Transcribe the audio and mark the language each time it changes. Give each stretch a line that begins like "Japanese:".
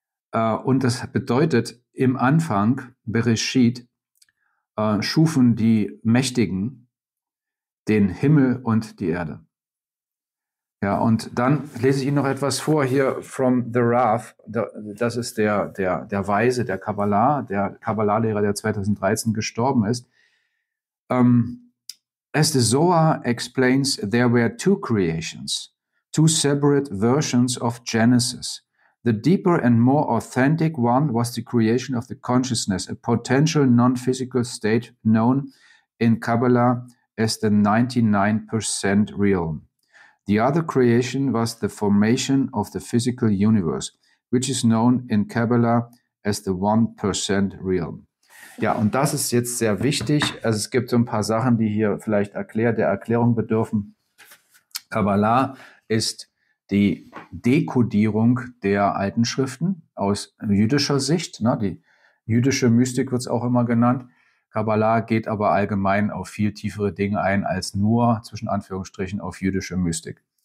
German: Und das bedeutet, im Anfang, Bereshit, schufen die Mächtigen den Himmel und die Erde. Ja, und dann lese ich Ihnen noch etwas vor hier
English: from the Rav.
German: Das ist der Weise, der Kabbalah, der Kabbalah-Lehrer, der 2013 gestorben ist.
English: As the Zohar explains, there were two creations, two separate versions of Genesis. The deeper and more authentic one was the creation of the consciousness, a potential non-physical state known in Kabbalah as the 99% realm. The other creation was the formation of the physical universe, which is known in Kabbalah as the 1% realm.
German: Ja, und das ist jetzt sehr wichtig. Also es gibt so ein paar Sachen, die hier vielleicht der Erklärung bedürfen. Kabbalah ist die Dekodierung der alten Schriften aus jüdischer Sicht. Ne? Die jüdische Mystik wird es auch immer genannt. Kabbalah geht aber allgemein auf viel tiefere Dinge ein als nur, zwischen Anführungsstrichen, auf jüdische Mystik.